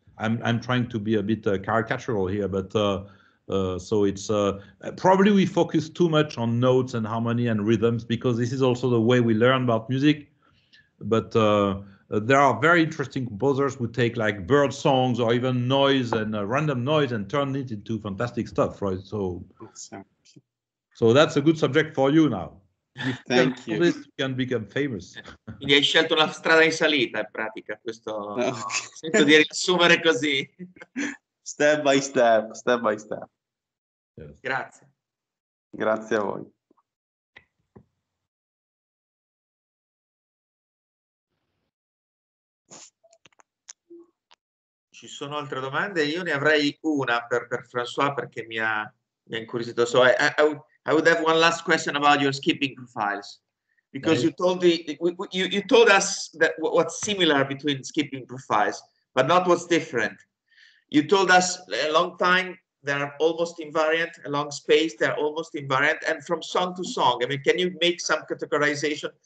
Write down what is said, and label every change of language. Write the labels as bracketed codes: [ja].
[en] I'm trying to be a bit caricatural here, but so it's probably we focus too much on notes and harmony and rhythms because this is also the way we learn about music. But there are very interesting composers who take like bird songs or even noise and random noise and turn it into fantastic stuff, right? So, so that's a good subject for you now. Thank you. This can become famous. [it] Quindi hai scelto la strada in salita, in pratica, questo sento di riassumere così. [en] Step by step. [it] Grazie. Grazie a voi. Ci sono altre domande? Io ne avrei una per François perché mi ha incuriosito. [en] So I would have one last question about your skipping profiles. Because you told us that what's similar between skipping profiles, but not what's different. You told us a long time they are almost invariant, a long space they are almost invariant, and from song to song. I mean, can you make some categorization?